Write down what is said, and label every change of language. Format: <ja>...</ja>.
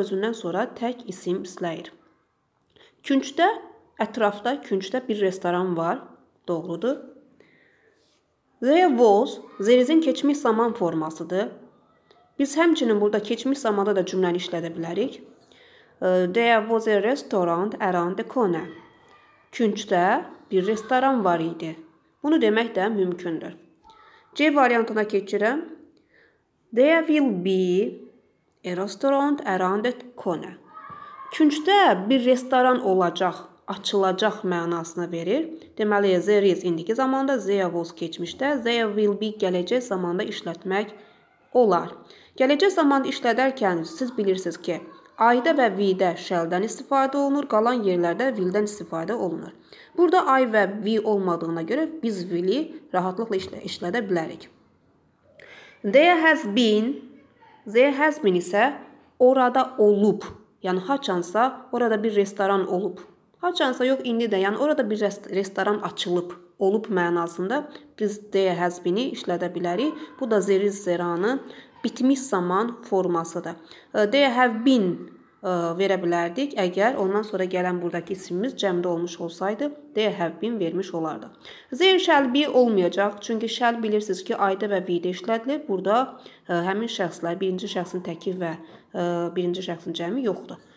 <az>Özündən sonra tək isim istəyir. Küncdə, ətrafda, küncdə bir restoran var. Doğrudur.</az> <en>There was.</en> <az>There is-in keçmiş zaman formasıdır. Biz həmçinin burada keçmiş zamanda da cümləni işlədə bilərik.</az> <en>There was a restaurant around the corner.</en> <az>Küncdə bir restoran var idi. Bunu demək də mümkündür. C variantına keçirəm.</az> <en>There will be a restaurant around the corner.</en> <az>Küncdə bir restoran olacaq, açılacaq mənasını verir. Deməli,</az> <en>there is</en> <az>indiki zamanda,</az> <en>there was</en> <az>keçmişdə,</az> <en>there will be</en> <az>gələcək zamanda işlətmək olar. Gələcək zamanda işlədərkən siz bilirsiniz ki, I-də və V-də shall-dən istifadə olunur, qalan yerlərdə will-dən istifadə olunur. Burada I və V olmadığına görə biz will-i rahatlıqla işlədə bilərik.</az> <en>There has been, there has been</en> <az>isə orada olub, yəni haçansa orada bir restoran olub. Haçansa yox indi də, yəni orada bir restoran açılıb, olub mənasında biz</az> <en>there has been-</en> <az>i işlədə bilərik. Bu da there is zeranı. Bitmiş zaman formasıdır.</az> <en>They have been verə bilərdik.</en> <az>Əgər ondan sonra gələn buradakı isimimiz cəmdə olmuş olsaydı, they have been vermiş olardı.</az> <en>They shall be</en> <az>olmayacaq. Çünki shall bilirsiniz ki, ayda və V-də işlədilir. Burada həmin şəxslər, birinci şəxsin təki və birinci şəxsin cəmi yoxdur.</az>